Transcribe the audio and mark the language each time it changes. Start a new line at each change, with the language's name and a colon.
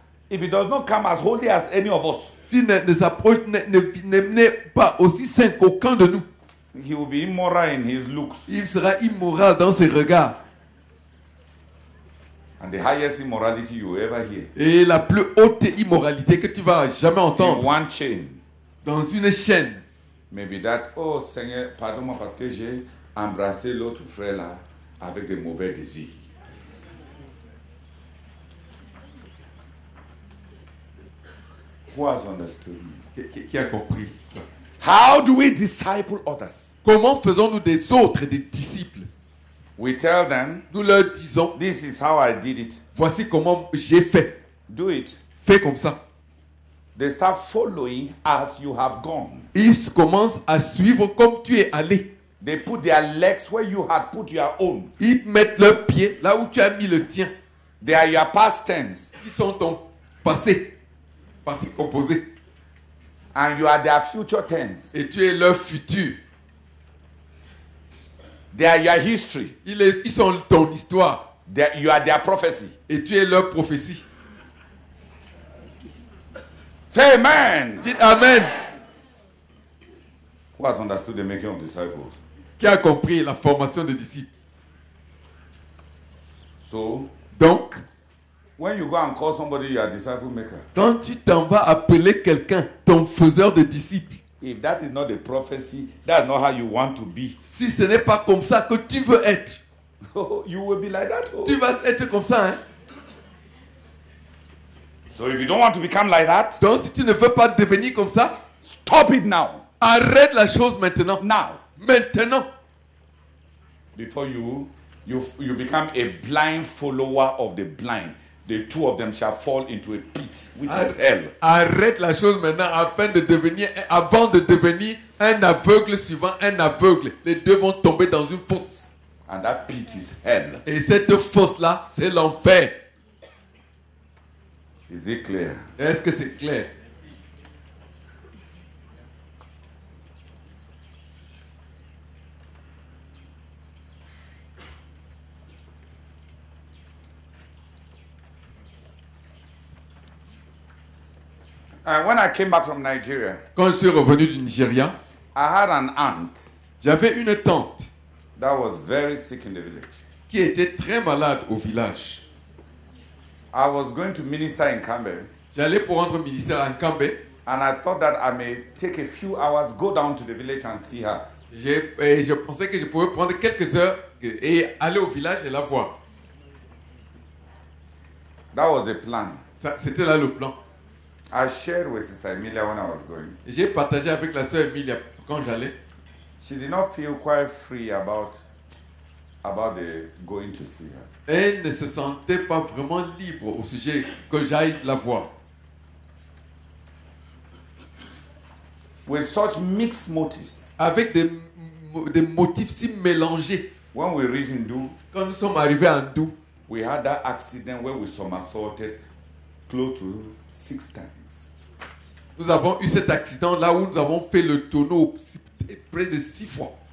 English: if he does not come as holy as any of us,
French: s'il ne s'approche ne pas aussi saint qu'aucun de nous.
English: He will be immoral in his looks.
French: Il sera immoral dans ses regards.
English: And the highest immorality you ever hear.
French: Et la plus haute immoralité que tu vas jamais entendre.
English: In one chain.
French: Dans une chaîne.
English: Maybe that,
French: Seigneur, pardonne-moi parce que j'ai embrassé l'autre frère là avec des mauvais désirs.
English: Who has understood me?
French: Qui a compris ça?
English: How do we disciple others?
French: Comment faisons-nous des autres des disciples?
English: We tell them,
French: nous leur disons,
English: this is how I did it.
French: Voici comment j'ai fait.
English: Do it.
French: Fais comme ça.
English: They start following as you have gone.
French: Ils commencent à suivre comme tu es allé.
English: They put their legs where you had put your own.
French: Ils mettent leurs pieds là où tu as mis le tien.
English: They are your past tense.
French: Ils sont ton passé. Passé composé.
English: And you are their future tense.
French: Et tu es leur futur.
English: They are your history.
French: Ils sont ton histoire.
English: You are their prophecy.
French: Et tu es leur prophétie.
English: Say amen.
French: Dites amen.
English: Who has understood the making of disciples?
French: Qui a compris la formation de disciples?
English: So,
French: donc,
English: when you go and call somebody your disciple maker,
French: quand tu t'en vas appeler quelqu'un ton faiseur de disciples,
English: if that is not a prophecy, that's not how you want to be.
French: Si ce n'est pas comme ça que tu veux être,
English: you will be like that.
French: Tu vas être comme ça, hein?
English: So if you don't want to become like that,
French: donc si tu ne veux pas devenir comme ça,
English: stop it now.
French: Arrête la chose maintenant.
English: Now.
French: Maintenant.
English: Before you become a blind follower of the blind. The two of them shall fall into a pit, which is hell.
French: Arrête la chose maintenant avant de devenir un aveugle suivant un aveugle. Les deux vont tomber dans une fosse.
English: And that pit is hell.
French: Et cette fosse là, c'est l'enfer.
English: Is it clear?
French: Est-ce que c'est clair?
English: When I came back from Nigeria,
French: quand je suis revenu du Nigeria,
English: I had an aunt.
French: J'avais une tante
English: that was very sick in the village.
French: Qui était très malade au village.
English: I was going to minister in Kambe.
French: J'allais pour rendre ministère à Kambe.
English: And I thought that I may take a few hours, go down to the village and see her.
French: Je pensais que je pouvais prendre quelques heures et aller au village et la voir.
English: That was the plan.
French: C'était là le plan.
English: I shared with Sister Emilia when I was going.
French: J'ai partagé avec la sœur Emilia quand j'allais.
English: She did not feel quite free about the going to see her.
French: Elle ne se sentait pas vraiment libre au sujet que j'aille la voir.
English: with such mixed motives.
French: Avec des motifs si mélangés.
English: When we reached Ndou,
French: quand nous sommes arrivés à Ndou,
English: we had that accident where we somersaulted close to 6 times.
French: Nous avons eu cet accident là où nous avons fait le tonneau près de 6 fois.